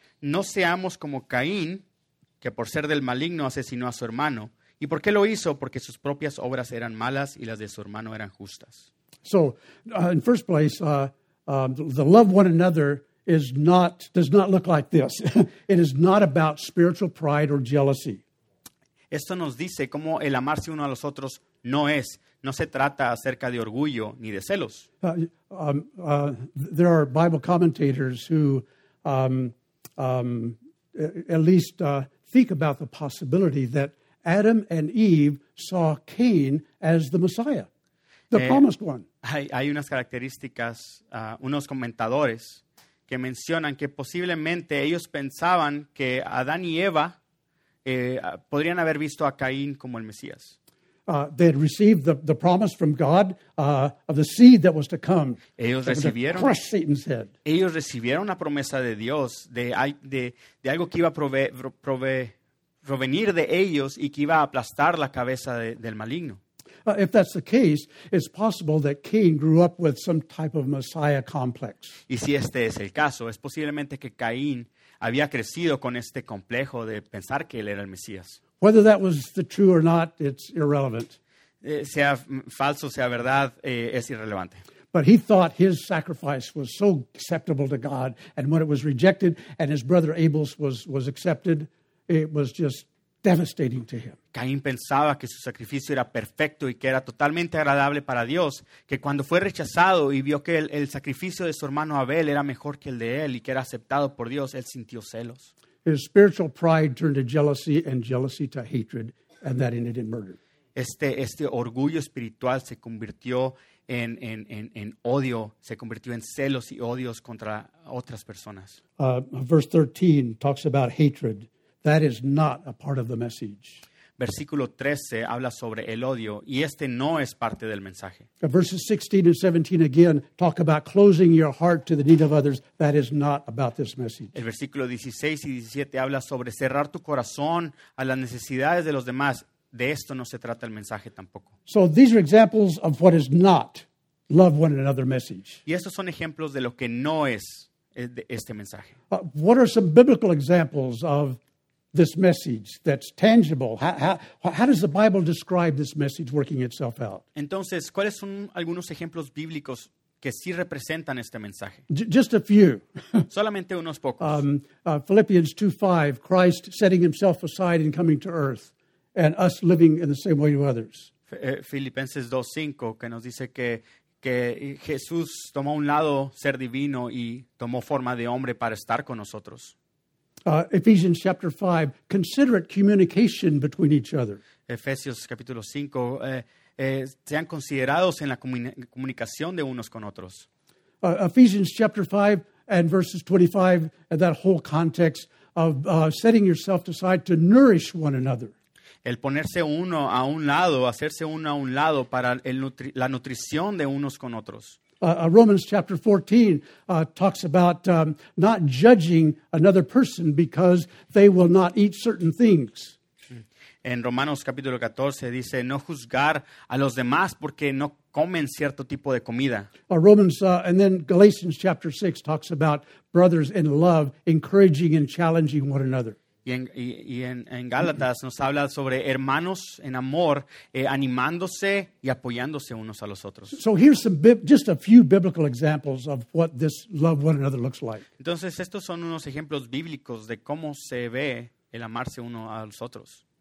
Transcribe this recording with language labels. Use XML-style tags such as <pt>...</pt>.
<es>No seamos como Caín, que por ser del maligno asesinó a su hermano. ¿Y por qué lo hizo? Porque sus propias obras eran malas y las de su hermano eran justas.</es> <en>So, in first place, the love one another is not, does not look like this. It is not about spiritual pride or jealousy.</en> <es>Esto nos dice cómo el amarse uno a los otros no es. No se trata acerca de orgullo ni de celos.</es> <en>There are Bible commentators who think about the possibility that Adam and Eve saw Cain as the Messiah, the promised one.</en> <es>Hay unas características, unos comentadores que mencionan que posiblemente ellos pensaban que Adán y Eva podrían haber visto a Caín como el Mesías.</es> <en>They had received the promise from God of the seed that was to come.</en> <es>Ellos recibieron,</es> <en>crush Satan's head.</en> <es>Ellos recibieron la promesa de Dios de algo que iba a provenir de ellos y que iba a aplastar la cabeza del maligno.</es> <en>If that's the case, it's possible that Cain grew up with some type of Messiah complex.</en> <es>Y si este es el caso, es posiblemente que Caín había crecido con este complejo de pensar que él era el Mesías.</es> <en>Whether that was the true or not, it's irrelevant.</en> <es>Sea falso, sea verdad, es irrelevante.</es> <en>But he thought his sacrifice was so acceptable to God, and when it was rejected, and his brother Abel's was accepted, it was just devastating to him.</en> <es>Caín pensaba que su sacrificio era perfecto y que era totalmente agradable para Dios, que cuando fue rechazado y vio que el sacrificio de su hermano Abel era mejor que el de él y que era aceptado por Dios, él sintió celos.</es> <en>His spiritual pride turned to jealousy and jealousy to hatred, and that ended in murder.</en> <es>Este orgullo espiritual se convirtió en odio, se convirtió en celos y odios contra otras personas.</es> <en>Verse 13 talks about hatred. That is not a part of the message.</en> <es>Versículo 13 habla sobre el odio, y este no es parte del mensaje.</es> <en>Verses 16 and 17 again talk about closing your heart to the need of others. That is not about this message.</en> <es>El versículo 16 y 17 habla sobre cerrar tu corazón a las necesidades de los demás. De esto no se trata el mensaje tampoco.</es> <en>So these are examples of what is not love one another message.</en> <es>Y estos son ejemplos de lo que no es este mensaje.</es> <en>What are some biblical examples of this message that's tangible? How does the Bible describe this message working itself out?</en> <es>Entonces, ¿cuáles son algunos ejemplos bíblicos que sí representan este mensaje?</es> <en>Just a few.</en> <es>Solamente unos pocos.</es> <en>Philippians 2:5, Christ setting himself aside and coming to earth, and us living in the same way to others.</en> <es>Filipenses 2:5, que nos dice que Jesús tomó un lado ser divino y tomó forma de hombre para estar con nosotros.</es> <en>Ephesians chapter 5, considerate communication between each other.</en> <es>Efesios capítulo 5, sean considerados en la comunicación de unos con otros.</es> <en>Ephesians chapter 5 and verses 25, and that whole context of setting yourself aside to nourish one another.</en> <es>El ponerse uno a un lado, hacerse uno a un lado para la nutrición de unos con otros.</es> <en>Romans chapter 14 talks about not judging another person because they will not eat certain things.</en> <es>En Romanos capítulo 14 dice no juzgar a los demás porque no comen cierto tipo de comida.</es> <en>And then Galatians chapter 6 talks about brothers in love encouraging and challenging one another.</en> <es>Y en Gálatas nos habla sobre hermanos en amor, animándose y apoyándose unos a los otros.</es> <en>So here's just a few biblical examples of what this love one another looks like.</en> <es>Entonces estos son unos ejemplos bíblicos de cómo se ve el amarse uno a los otros.</es>